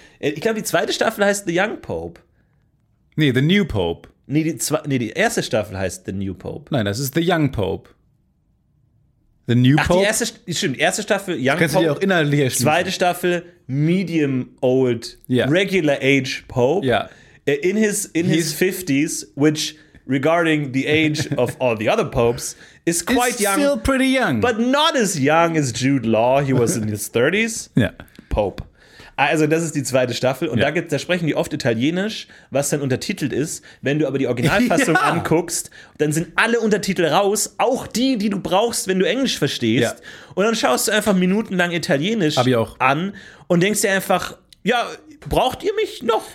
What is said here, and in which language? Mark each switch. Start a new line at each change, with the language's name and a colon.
German: Ich glaube, die 2. Staffel heißt The Young Pope. Nee, The New Pope. Nee, die 1. Staffel heißt The New Pope. Nein, das ist The Young Pope. The New Ach, Pope? Die erste, stimmt, 1. Staffel, Young Pope. Du auch innerlich erschließen. 2. Staffel, Medium Old, Regular Age Pope. Ja.
English: Yeah. In his 50s, which, regarding the age of all the other popes, is quite it's young. Still pretty young. But not as young as Jude Law. He was in his 30s.
German: Ja.
English: Yeah. Pope.
German: Also das ist die 2. Staffel und da sprechen die oft Italienisch, was dann untertitelt ist. Wenn du aber die Originalfassung anguckst, dann sind alle Untertitel raus, auch die, die du brauchst, wenn du Englisch verstehst. Ja. Und dann schaust du einfach minutenlang Italienisch an und denkst dir einfach, ja, braucht ihr mich noch?